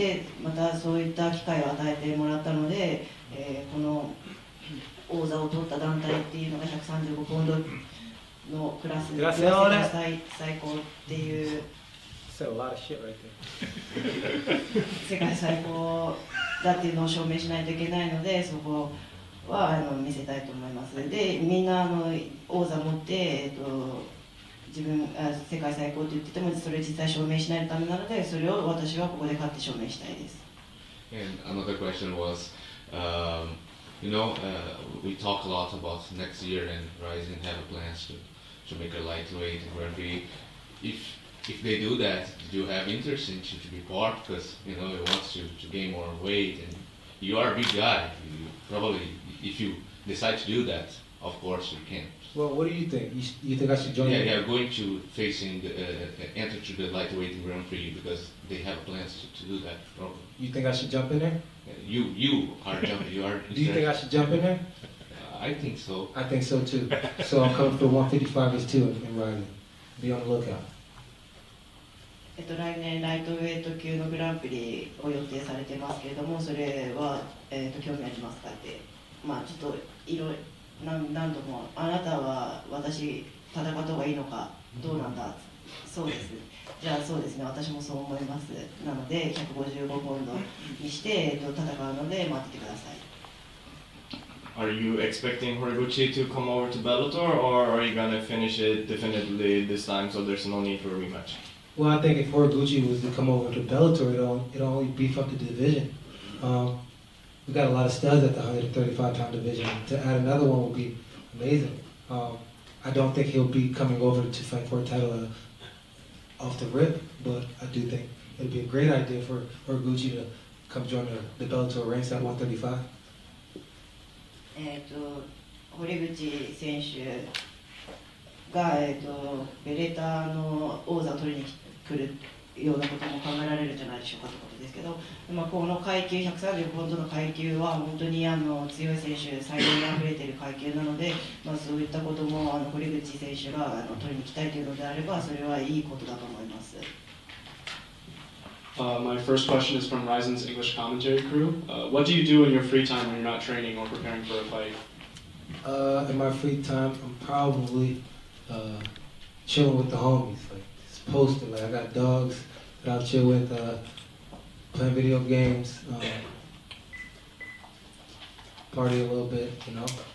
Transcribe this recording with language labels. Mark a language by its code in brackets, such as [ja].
[ja] でまたそういった機会を与えてもらったので、この王座を取った団体っていうのが135ポンドのクラスで最高っていう、世界最高だっていうのを証明しないといけないので、そこは見せたいと思います。でみんな王座持って、自分世界最高って言ってても、それ実際証明しないためなので、それを私はここで勝って証明したいです。 [en] And another question was, you know, we talk a lot about next year and Rizin have plans to make a lightweight grand prix. If they do that, do you have interest in to be part? Because, you know, he wants to gain more weight, and you are a big guy. You probably, if you decide to do that, of course you can. Well, what do you think? You think I should join? Yeah, going to facing enter to the lightweight grand prix, because they have plans to do that. Probably. You think I should jump in there? You are jumping. You are. Do you think I should jump in there? I think so. I think so too. So I'm coming for 155ers too in Rizin. Be on the lookout. [ja] 来年ライトウェイト級のグランプリを予定されてますけれども、それは、興味ありますかって、まあちょっといろいろ何度もあなたは私戦った方がいいのかどうなんだ、うん、そうですじゃあそうですね私もそう思いますなので155ポンドにして戦うので待っててください [en] Are you expecting Horiguchi to come over to Bellator or are you gonna finish it definitively this time so there's no need for a rematch? Well, I think if Horiguchi was to come over to Bellator, it'll only beef up the division. We got a lot of studs at the 135-pound division. To add another one would be amazing. I don't think he'll be coming over to fight for a title off the rip, but I do think it'd be a great idea for Horiguchi to come join the Bellator ranks at 135. [ja] 堀口選手が、ベレターの王座を取りに来るようなことも考えられるんじゃないでしょうかということですけど、まあ、この階級130ポンドの階級は本当に強い選手才能にあふれている階級なので、まあ、そういったことも堀口選手が取りに来たいというのであればそれはいいことだと思います。 [en] My first question is from Rizin's English commentary crew. What do you do in your free time when you're not training or preparing for a fight? In my free time, I'm probably chilling with the homies. Like, it's posted. Like, I got dogs that I'll chill with, playing video games, party a little bit, you know.